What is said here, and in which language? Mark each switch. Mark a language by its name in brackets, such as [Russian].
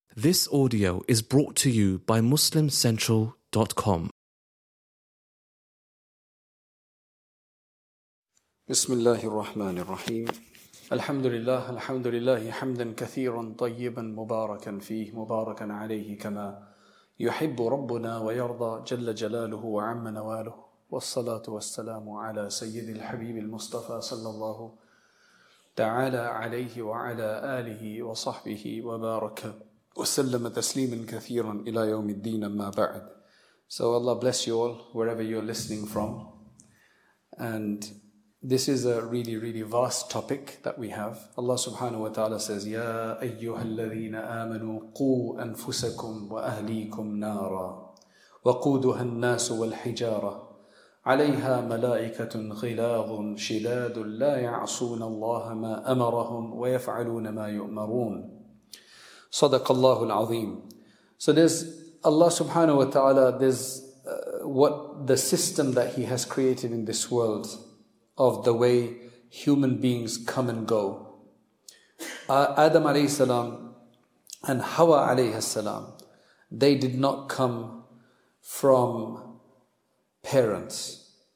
[English] This audio is brought to you by MuslimCentral.com. [Arabic] بسم الله الرحمن الرحيم الحمد لله الحمد لله حمدا كثيرا طيبا مباركا فيه مباركا عليه كما يحب ربنا ويرضى جل جلاله وعم نواله والصلاة والسلام على سيد الحبيب المصطفى صلى الله تعالى عليه وعلى آله وصحبه وبارك وسلم تسليما كثيرا إلى يوم الدين ما بعد. [English] So Allah bless you all wherever you're listening from. And this is a really, really vast topic that we have. [Arabic] Allah subhanahu wa ta'ala [English] says, [Arabic] يَا أَيُّهَا الَّذِينَ آمَنُوا قُوْ أَنفُسَكُمْ وَأَهْلِيكُمْ نَارًا وَقُودُهَا النَّاسُ وَالْحِجَارَةُ عَلَيْهَا مَلَائِكَةٌ غِلَاظٌ شِدَادٌ لَا يَعْصُونَ اللَّهَ مَا أَمَرَهُمْ وَيَفْعَلُونَ مَا يُؤْمَرُونَ صَدَقَ اللَّهُ الْعَظِيمُ. [English] So there's Allah subhanahu wa ta'ala, there's what the system that He has created in this world, of the way human beings come and go. Adam alayhi salam and Hawa alayhi salam, they did not come from parents.